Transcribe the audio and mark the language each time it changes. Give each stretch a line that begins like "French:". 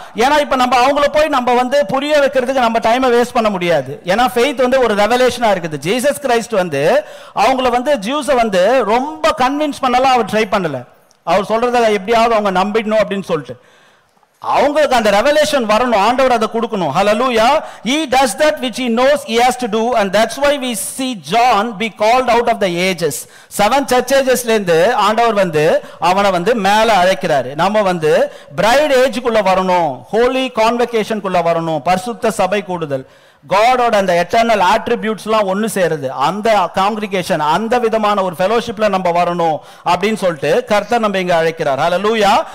Tamil: ஏன்னா இப்ப நம்ம அவங்கள போய் நம்ம வந்து புரிய வைக்கிறதுக்கு நம்ம டைமை வேஸ்ட் பண்ண முடியாது. ஏன்னா ஃபெய்த் வந்து ஒரு ரெவலேஷனா இருக்குது. ஜீசஸ் கிரைஸ்ட் வந்து அவங்கள வந்து ஜூஸ வந்து ரொம்ப கன்வின்ஸ் பண்ணலாம் அவர் ட்ரை பண்ணல. அவர் சொல்றதை எப்படியாவது அவங்க நம்பிடணும் அப்படின்னு சொல்லிட்டு அவங்களுக்கு அந்த ரெவலேஷன் வரணும், ஆண்டவர் அதை கொடுக்கணும். ஹல்லேலூயா.
English: He does that which he knows he has to do, and that's why we see John be called out of the ages.
Tamil: 7
English: church ages
Tamil: லேந்து ஆண்டவர் வந்து அவனை வந்து மேல அழைக்கிறாரு. நம்ம வந்து பிரைட் ஏஜ் குள்ள வரணும், ஹோலி கான்வெகேஷன் குள்ள வரணும், பரிசுத்த சபை கூடுதல், காடோட அந்த எட்டர்னல் ஆட்ரிபியூட்ஸ் எல்லாம் ஒன்னு சேருது, அந்த காங்கிரிகேஷன், அந்த விதமான ஒரு ஃபெலோஷிப்ல நம்ம வரணும் அப்படின்னு சொல்லிட்டு கர்த்தர் நம்ம இங்க அழைக்கிறார். ஹல்லேலூயா.